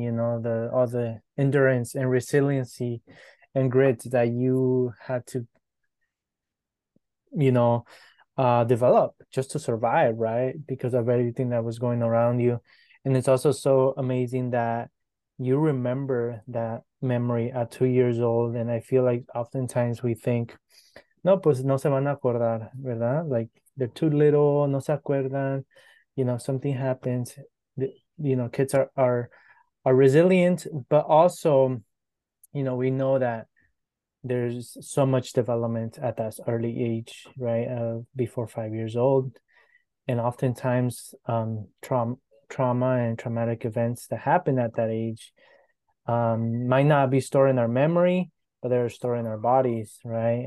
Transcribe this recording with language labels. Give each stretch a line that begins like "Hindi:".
English: You know, all the endurance and resiliency and grit that you had to, you know, develop just to survive, right? Because of everything that was going around you. And it's also so amazing that you remember that memory at 2 years old. And I feel like oftentimes we think,
Spanish: no, pues no se van a acordar, ¿verdad?
English: Like, they're too little,
Spanish: no se acuerdan,
English: you know, something happens. You know, kids are resilient, but also, you know, we know that there's so much development at that early age, right? Before 5 years old. And oftentimes trauma and traumatic events that happen at that age might not be stored in our memory, but they're stored in our bodies, right?